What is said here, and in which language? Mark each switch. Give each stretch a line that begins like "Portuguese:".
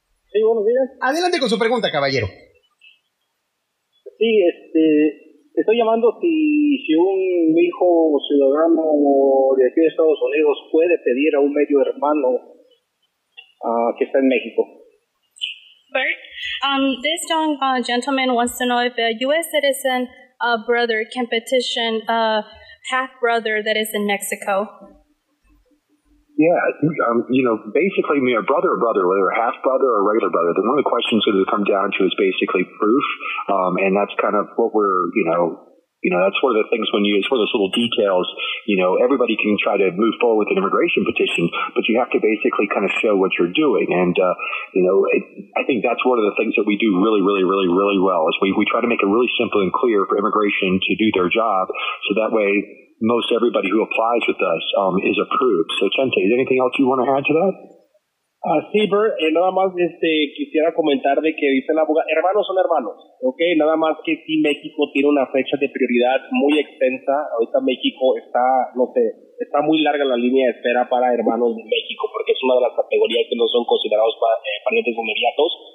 Spanish: Sí, buenos días. Adelante con su pregunta, caballero. Sí, estoy llamando si un hijo ciudadano de aquí de Estados Unidos puede pedir a un medio hermano que está en México.
English: Bert, this young gentleman wants to know if a U.S. citizen brother can petition a half-brother that is in Mexico. Yeah, basically, I mean, a brother or brother, whether a half-brother or a regular brother, one of the questions that it come down to is basically proof, and that's kind of what we're, that's one of the things when you, it's one of those little details, everybody can try to move forward with an immigration petition, but you have to basically kind of show what you're doing, and, I think that's one of the things that we do really, really, really, really well, is we try to make it really simple and clear for immigration to do their job, so that way, most everybody who applies with us is approved. So, Chente, is anything else you want to add to that?
Spanish: Sí, Bert. Nada más quisiera comentar de que dice la abogada, hermanos son hermanos, ¿ok? Nada más que sí, México tiene una fecha de prioridad muy extensa. Ahorita México está, está muy larga la línea de espera para hermanos de México porque es una de las categorías que no son considerados parientes inmediatos.